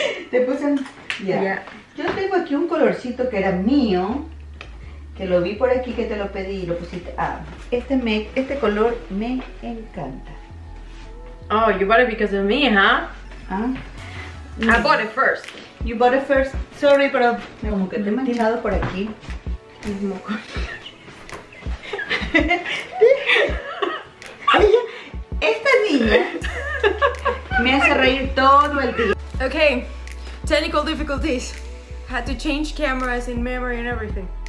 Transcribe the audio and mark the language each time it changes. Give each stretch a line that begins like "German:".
Spanish: Te puse un... Yo tengo aquí un colorcito que era mío, que lo vi por aquí, que te lo pedí y lo pusiste. Este color me encanta.
English: Oh, you bought it because of me, huh? Ah. No. I bought it first. You bought it first.
Spanish: Sorry, pero como que te he manchado por aquí. Mismo color. Esta niña me hace reír todo el día.
English: Okay, technical difficulties. Had to change cameras and memory and everything.